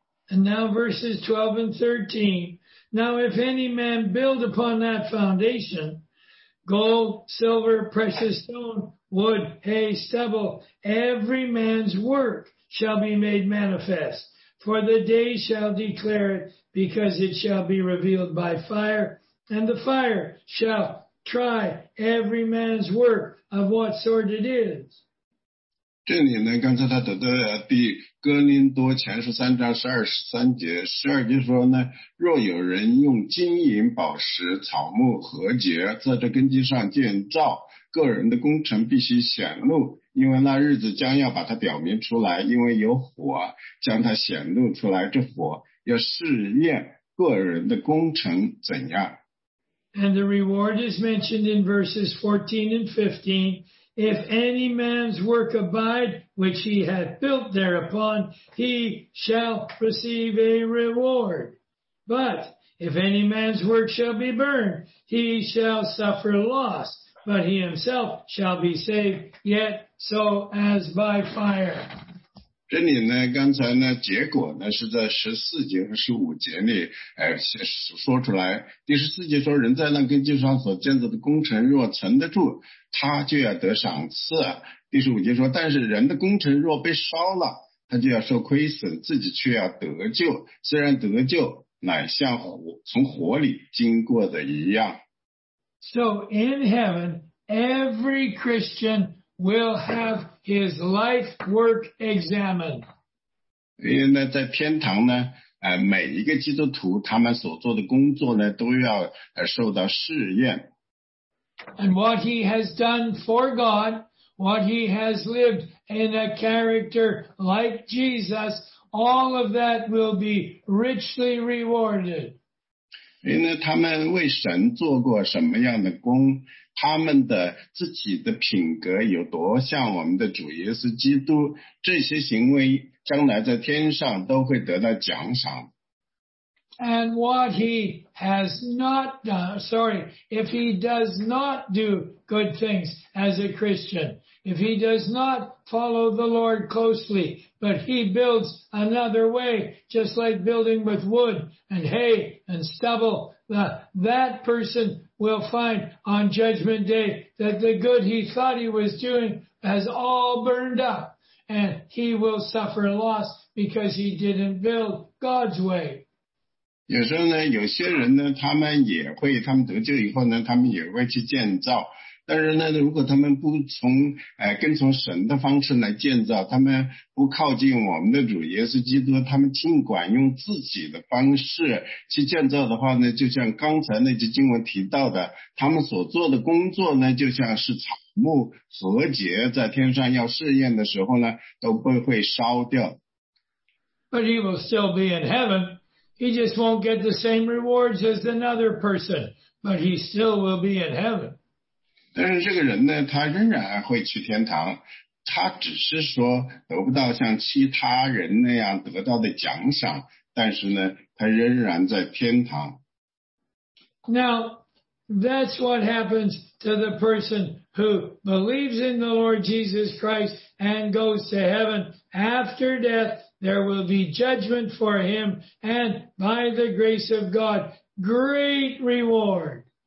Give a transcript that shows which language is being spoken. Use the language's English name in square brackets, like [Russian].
[English] And now verses 12 and 13. Now if any man build upon that foundation, gold, silver, precious stone, wood, hay, stubble, every man's work,shall be made manifest. For the day shall declare it, because it shall be revealed by fire, and the fire shall try every man's work of what sort it is. [Chinese] 这里呢，刚才他读的第哥林多前书三章12-13节，十二节说呢，若有人用金银宝石草木禾秸在这根基上建造，个人的工程必须显露。因为那日子将要把它表明出来，因为有火将它显露出来，这火要试验个人的工程怎样。 [English] And the reward is mentioned in verses 14 and 15. If any man's work abide, which he had built thereupon, he shall receive a reward. But if any man's work shall be burned, he shall suffer loss. But he himself shall be saved, yet so as by fire. [Chinese] 这里呢，刚才呢，结果呢是在十四节和十五节里，说出来。第十四节说，人在那根基上所建造的工程若存得住，他就要得赏赐。第十五节说，但是人的工程若被烧了，他就要受亏损，自己却要得救。虽然得救，乃像火从火里经过的一样。 [English] So in heaven, every Christian will have his life work examined. [Chinese] 因为呢，在天堂呢，每一个基督徒他们所做的工作呢，都要受到试验。 [English] And what he has done for God, what he has lived in a character like Jesus, all of that will be richly rewarded. [Chinese] 因为他们为神做过什么样的工，他们的自己的品格有多像我们的主耶稣基督，这些行为将来在天上都会得到奖赏。 [English] And what he has not done, sorry, if he does not do good things as a Christian, if he does not follow the Lord closely, but he builds another way, just like building with wood and hay and stubble, that person will find on Judgment Day that the good he thought he was doing has all burned up, and he will suffer loss because he didn't build God's way. [Chinese] 有时候呢，有些人呢，他们也会，他们得救以后呢，他们也会去建造。但是呢，如果他们不从跟从神的方式来建造，他们不靠近我们的主耶稣基督，他们尽管用自己的方式去建造的话呢，就像刚才那句经文提到的，他们所做的工作呢，就像是草木和秸在天上要试验的时候呢，都不会烧掉。 [English] But he will still be in heaven. He just won't get the same rewards as another person, but he still will be in heaven. [Chinese] 但是这个人呢，他仍然会去天堂，他只是说得不到像其他人那样得到的奖赏，但是呢，他仍然在天堂。 [English] Now, that's what happens to the person who believes in the Lord Jesus Christ and goes to heaven after death. There will be judgment for him, and by the grace of God, great reward.